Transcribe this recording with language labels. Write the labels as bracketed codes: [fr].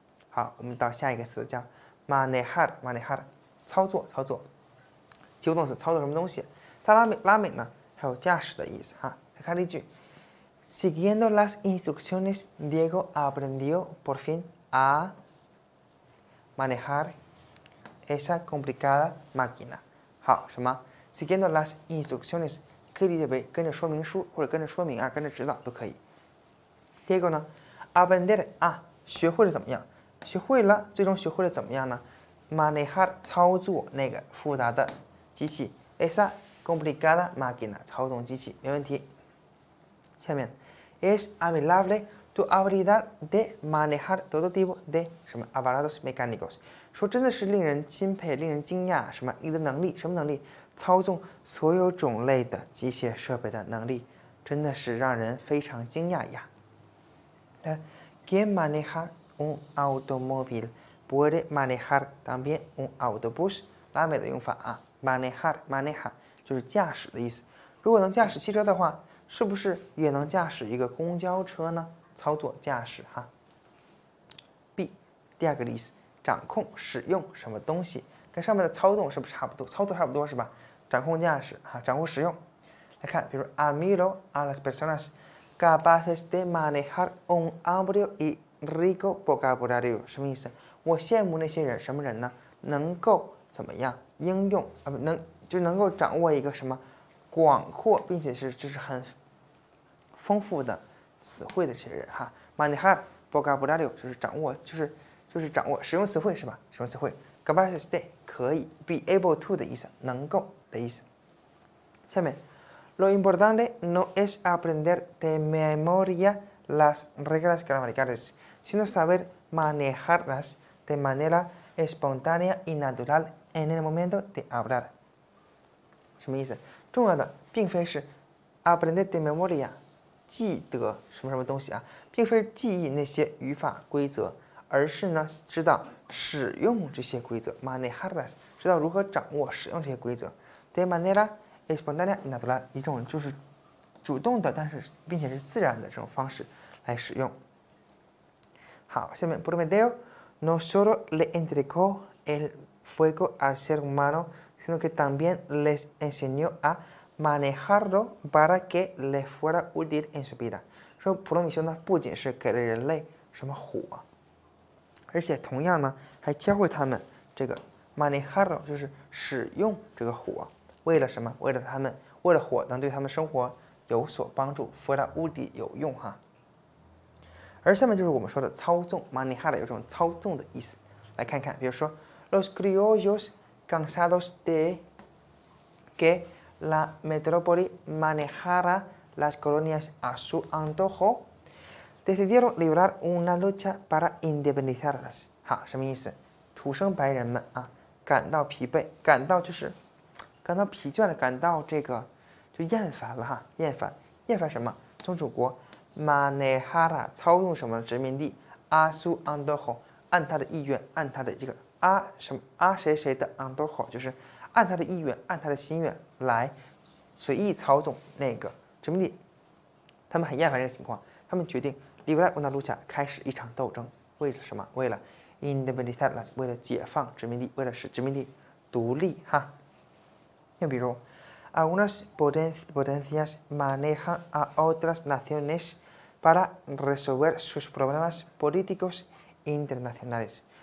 [zh] 好，我们到下一个词叫 manejar，manejar，操作操作，及物动词操作什么东西，在拉美呢，还有驾驶的意思哈。 [es] 看例句，Siguiendo las instrucciones, Diego aprendió por fin a manejar esa complicada máquina。 [zh] 好，什么？ [es] Siguiendo las instrucciones [zh] 可以理解为跟着说明书或者跟着说明啊，跟着指导都可以。 Diego 呢，aprender 学会了怎么样？学会了，最终学会了怎么样呢？manejar 操作那个复杂的机器， [es] esa complicada máquina [zh] 操纵机器，没问题。下面， [es] es amigable tu habilidad de manejar todo tipo de [zh] 什么 [es] aparatos mecánicos， [zh] 说真的是令人钦佩、令人惊讶，什么你的能力，什么能力，操纵所有种类的机械设备的能力，真的是让人非常惊讶呀。 [es] ¿Quién maneja un automóvil? Puede manejar también un autobús。 [zh] 拉美的用法啊，manejar 就是驾驶的意思。如果能驾驶汽车的话，是不是也能驾驶一个公交车呢？操作驾驶哈。第二个例子，掌控使用什么东西，跟上面的操纵是不是差不多？操作差不多是吧？掌控驾驶哈，掌控使用。来看，比如 [es] admiro a las personas。 capaces de manejar un amplio y rico vocabulario [zh] 什么意思？我羡慕那些人，什么人呢？能够怎么样应用啊？不能就能够掌握一个什么广阔，并且是就是很丰富的词汇的这些人哈。 manejar vocabulario 就是掌握，就是掌握使用词汇是吧？使用词汇 capaces de 可以 [en] be able to [zh] 的意思，能够的意思。下面。 [es] Lo importante no es aprender de memoria las reglas gramaticales, sino saber manejarlas de manera espontánea y natural en el momento de hablar。 [zh] 什么意思？重要的并非是 [es] aprender de memoria [zh] 记得什么什么东西啊，并非记忆那些语法规则，而是呢知道使用这些规则 manejarlas，知道如何掌握使用这些规则 [es] de manera。 Espontánea y natural [zh] 一种就是主动的，但是并且是自然的这种方式来使用。好，下面 [es] Prometeo no solo le entregó el fuego al ser humano, sino que también les enseñó a manejarlo para que le fuera útil en su vida。 [zh] 说普罗米修呢，不仅是给了人类什么火，而且同样呢，还教会他们这个 manejarlo 就是使用这个火。为了什么？为了他们，为了火能对他们生活有所帮助，for the 无敌有用哈。而下面就是我们说的操纵 manejar 有种操纵的意思。 [es] 来看看，比如说 los criollos cansados de que la metrópoli manejara las colonias a su antojo decidieron librar una lucha para independizarlas。 [zh] 哈，什么意思？土生白人们啊，感到疲惫，感到就是。感到疲倦了，感到这个就厌烦了哈，厌烦什么？宗主国 manejara 操纵什么殖民地 [es] asu andojo [zh] 按他的意愿，按他的这个什么谁谁的 andojo 就是按他的意愿，按他的心愿来随意操纵那个殖民地，他们很厌烦这个情况，他们决定 [es] libra una lucha [zh] 开始一场斗争，为了什么？为了 independizarlas 为了解放殖民地，为了使殖民地独立哈。又比如， [es] algunas potencias manejan a otras naciones para resolver sus problemas políticos internacionales。